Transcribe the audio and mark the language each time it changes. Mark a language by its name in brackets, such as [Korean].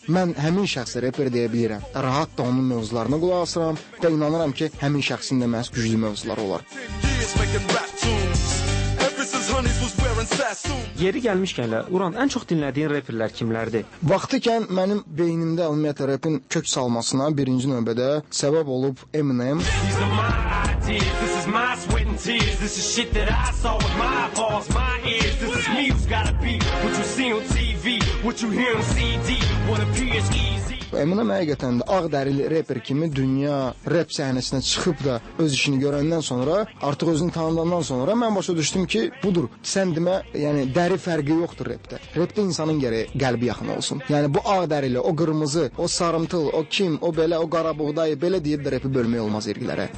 [Azerbaijani] Mən həmin şəxsi rapper deyə bilirəm. Rahat da onun mövzularına qulaq asıram və inanıram ki, həmin şəxsin də məhz güclü mövzuları olar. Yeri gəlmişkən, Uran, ən çox dinlədiyin rapperlər kimlərdir? Vaxtıkən mənim beynimdə ümumiyyətlə rapin kök salmasına birinci növbədə səbəb olub Eminem. [English] This is my sweat and tears. This is shit that I saw with my paws, my ears. This is me who's gotta be. What you see on TV, what you hear on CD, what appears easy. [Azerbaijani] Eminem həqiqətən də ağ dərili rapper kimi dünya rap səhnəsinə çıxıb da öz işini görəndən sonra, artıq özünü tanıdandan sonra mən başa düşdüm ki, budur. Sən demə, yəni dəri fərqi yoxdur rapdə. Rapdə insanın gərək qəlbi yaxın olsun. Yəni bu ağ dərili, o qırmızı, o sarımtıl, o kim, o belə, o qarabuğday belə deyib də rapi bölmək olmaz irqlərə.